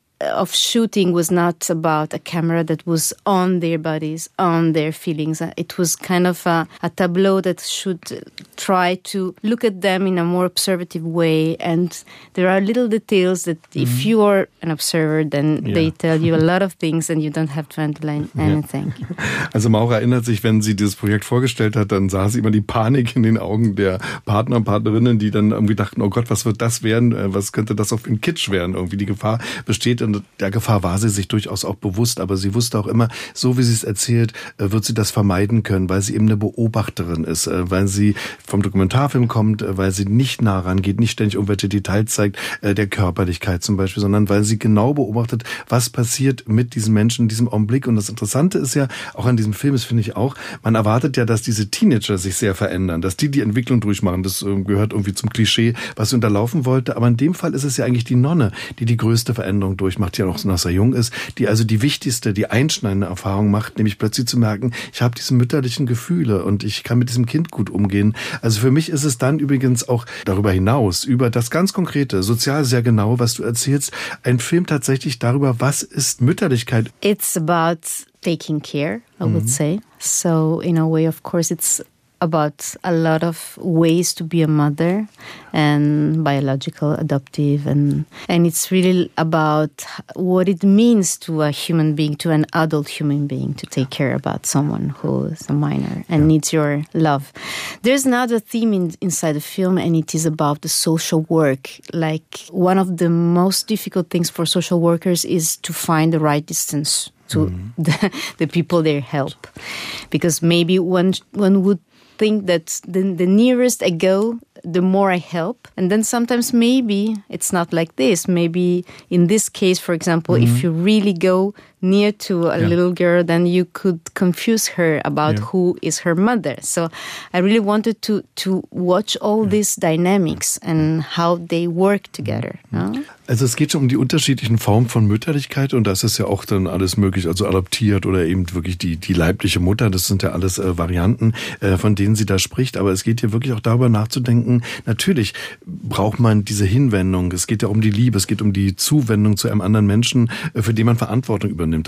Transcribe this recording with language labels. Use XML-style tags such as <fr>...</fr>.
<en>of shooting was not about a camera that was on their bodies, on their feelings. It was kind of a tableau that should try to look at them in a more observative way. And there are little details that if you are an observer, then they tell you a lot of things and you don't have to underline anything.</en> <de>Also Maura erinnert sich, wenn sie dieses Projekt vorgestellt hat, dann sah sie immer die Panik in den Augen der Partner und Partnerinnen, die dann irgendwie dachten, oh Gott, was wird das werden? Was könnte das auf ein Kitsch werden? Irgendwie die Gefahr besteht. Und der Gefahr war sie sich durchaus auch bewusst, aber sie wusste auch immer, so wie sie es erzählt, wird sie das vermeiden können, weil sie eben eine Beobachterin ist, weil sie vom Dokumentarfilm kommt, weil sie nicht nah rangeht, nicht ständig irgendwelche Details zeigt, der Körperlichkeit zum Beispiel, sondern weil sie genau beobachtet, was passiert mit diesen Menschen in diesem Augenblick. Und das Interessante ist ja, auch an diesem Film, das finde ich auch, man erwartet ja, dass diese Teenager sich sehr verändern, dass die Entwicklung durchmachen. Das gehört irgendwie zum Klischee, was sie unterlaufen wollte. Aber in dem Fall ist es ja eigentlich die Nonne, die die größte Veränderung durchmacht, die ja noch so, dass er jung ist, die also die wichtigste, die einschneidende Erfahrung macht, nämlich plötzlich zu merken, ich habe diese mütterlichen Gefühle und ich kann mit diesem Kind gut umgehen. Also für mich ist es dann übrigens auch darüber hinaus, über das ganz Konkrete, sozial sehr genau, was du erzählst, ein Film tatsächlich darüber, was ist Mütterlichkeit?</de> <en>It's about taking care, I would say. So in a way, of course, it's about a lot of ways to be a mother and biological, adoptive, and it's really about what it means to a human being, to an adult human being, to take care about someone who is a minor and needs your love. There's another theme inside the film, and it is about the social work. Like, one of the most difficult things for social workers is to find the right distance to the people they help, because maybe one would think that the nearest I go, the more I help. And then sometimes maybe it's not like this. Maybe in this case, for example, if you really go near to a little girl, then you could confuse her about who is her mother. So I really wanted to watch all these dynamics and how they work together.</en> <de>Also es geht schon um die unterschiedlichen Formen von Mütterlichkeit, und das ist ja auch dann alles möglich, also adoptiert oder eben wirklich die leibliche Mutter. Das sind ja alles Varianten, von denen sie da spricht. Aber es geht hier wirklich auch darüber nachzudenken, natürlich braucht man diese Hinwendung. Es geht ja um die Liebe, es geht um die Zuwendung zu einem anderen Menschen, für den man Verantwortung übernimmt.</de>